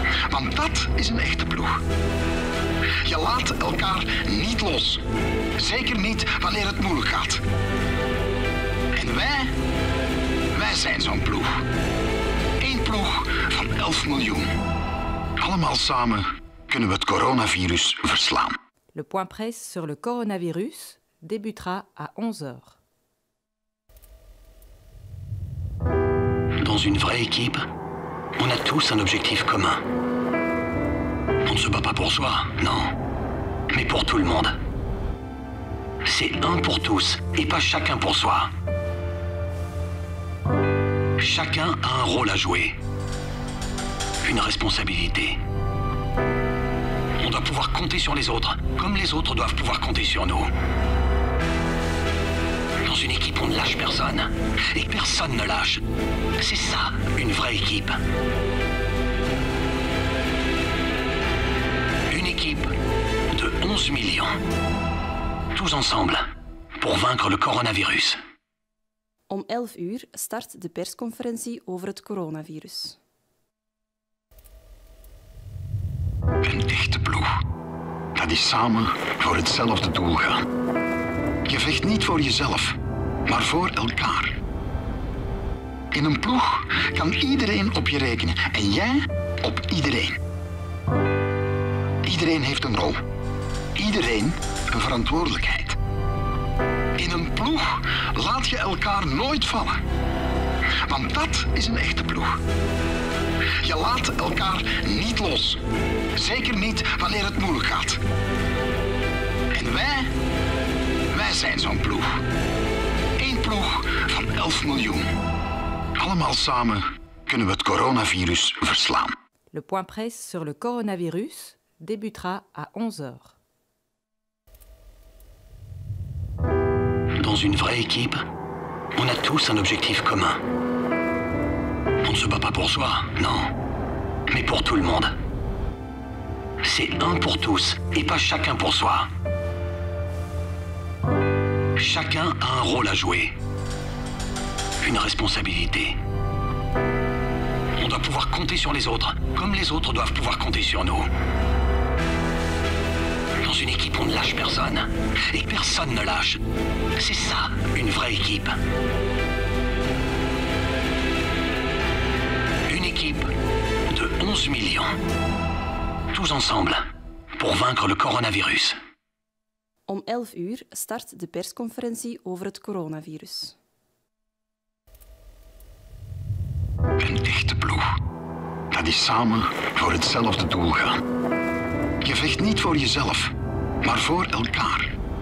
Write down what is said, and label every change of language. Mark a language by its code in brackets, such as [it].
[nl] Want dat is een echte ploeg. Je laat elkaar niet los. Zeker niet wanneer het moeilijk gaat. En wij zijn zo'n ploeg. Een ploeg van 11 miljoen. Allemaal samen kunnen we het coronavirus verslaan. [fr] Le point presse sur le coronavirus débutera à 11h. Dans une vraie équipe, on a tous un objectif commun. On ne se bat pas pour soi, non, mais pour tout le monde. C'est un pour tous et pas chacun pour soi. Chacun a un rôle à jouer. Une responsabilité. On doit pouvoir compter sur les autres, comme les autres doivent pouvoir compter sur nous. Dans une équipe, on ne lâche personne. Et personne ne lâche. C'est ça, une vraie équipe. Une équipe de 11 millions. Tous ensemble, pour vaincre le coronavirus. [nl] Om 11 uur start de persconferentie over het coronavirus. Een echte ploeg. Dat is samen voor hetzelfde doel gaan. Je vecht niet voor jezelf, maar voor elkaar. In een ploeg kan iedereen op je rekenen en jij op iedereen. Iedereen heeft een rol. Iedereen een verantwoordelijkheid. In een ploeg laat je elkaar nooit vallen. Want dat is een echte ploeg. Je laat elkaar niet los. Zeker niet wanneer het moeilijk gaat. En wij zijn zo'n ploeg. Eén ploeg van 11 miljoen. Allemaal samen kunnen we het coronavirus verslaan. [fr] Le point presse sur le coronavirus débutera à 11h. Dans une vraie équipe, on a tous un objectif commun. On ne se bat pas pour soi, non. Mais pour tout le monde. C'est un pour tous et pas chacun pour soi. Chacun a un rôle à jouer. Une responsabilité. On doit pouvoir compter sur les autres, comme les autres doivent pouvoir compter sur nous. Dans une équipe, on ne lâche personne. Et personne ne lâche. C'est ça, une vraie équipe. Une équipe de 11 millions. Tous ensemble, pour vaincre le coronavirus. [nl] Om 11 uur start de persconferentie over het coronavirus. Een dichte ploeg. Dat is samen voor hetzelfde doel gaan. Je vecht niet voor jezelf, maar voor elkaar.